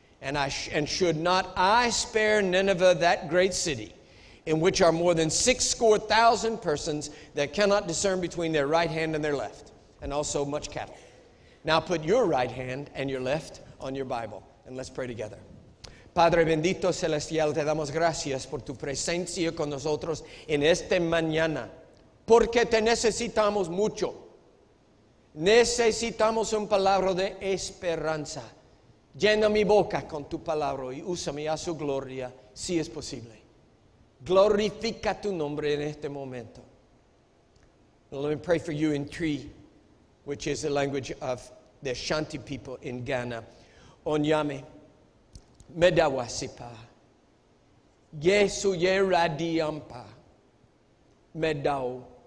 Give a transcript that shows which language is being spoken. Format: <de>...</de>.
<en>And should not I spare Nineveh, that great city, in which are more than 60,000 persons that cannot discern between their right hand and their left, and also much cattle? Now put your right hand and your left on your Bible, and let's pray together.</en> <es>Padre bendito celestial, te damos gracias por tu presencia con nosotros en esta mañana. Porque te necesitamos mucho. Necesitamos un palabra de esperanza. Llena mi boca con tu palabra y úsame a su gloria, si es posible. Glorifica tu nombre en este momento.</es> <en>Let me pray for you in Cree, which is the language of the Ashanti people in Ghana.</en> <ak>Onyame. Medawasipa. Yesu ye radiampa. Medao.</ak>